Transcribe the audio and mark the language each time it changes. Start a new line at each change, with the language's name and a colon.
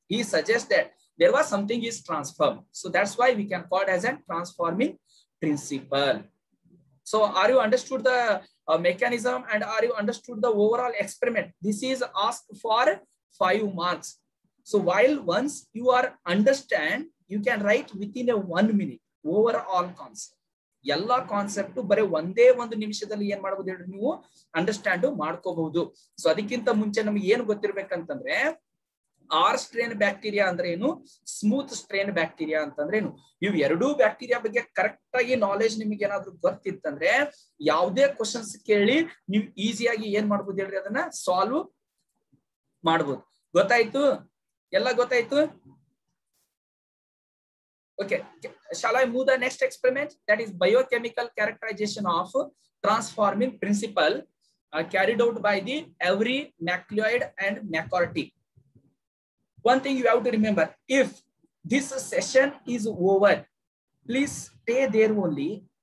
English: He suggests that there was something is transformed. So that's why we can call it as a transforming principle. So are you understood the mechanism and are you understood the overall experiment? This is asked for 5 marks. So while once you are understand, you can write within a 1 minute overall concept.
Kannada: ಎಲ್ಲ concept ಬರೀ ಒಂದೇ ಒಂದು ನಿಮಿಷದಲ್ಲಿ ಏನ್ ಮಾಡಬಹುದು ಹೇಳಿ ನೀವು understand ಮಾಡ್ಕೋಬಹುದು. ಸೊ ಅದಕ್ಕಿಂತ ಮುಂಚೆ ನಮ್ಗೆ ಏನು ಗೊತ್ತಿರ್ಬೇಕಂತಂದ್ರೆ ಆರ್ ಸ್ಟ್ರೇನ್ ಬ್ಯಾಕ್ಟೀರಿಯಾ ಅಂದ್ರೆ ಏನು, ಸ್ಮೂತ್ ಸ್ಟ್ರೇನ್ ಬ್ಯಾಕ್ಟೀರಿಯಾ ಅಂತಂದ್ರೆ ಏನು. ಇವು ಎರಡೂ ಬ್ಯಾಕ್ಟೀರಿಯಾ ಬಗ್ಗೆ ಕರೆಕ್ಟ್ ಆಗಿ ನಾಲೆಜ್ ನಿಮ್ಗೆ ಏನಾದ್ರು ಗೊತ್ತಿತ್ತಂದ್ರೆ ಯಾವುದೇ ಕ್ವಶನ್ಸ್ ಕೇಳಿ ನೀವು ಈಸಿಯಾಗಿ ಏನ್ ಮಾಡ್ಬೋದು ಹೇಳಿ ಅದನ್ನ ಸಾಲ್ವ್ ಮಾಡ್ಬೋದು. ಗೊತ್ತಾಯ್ತು, ಎಲ್ಲ ಗೊತ್ತಾಯ್ತು.
English: Okay, shall I move the next experiment? That is biochemical characterization of transforming principle carried out by the every macleod and macaulay. One thing you have to remember, if this session is over, please stay there only.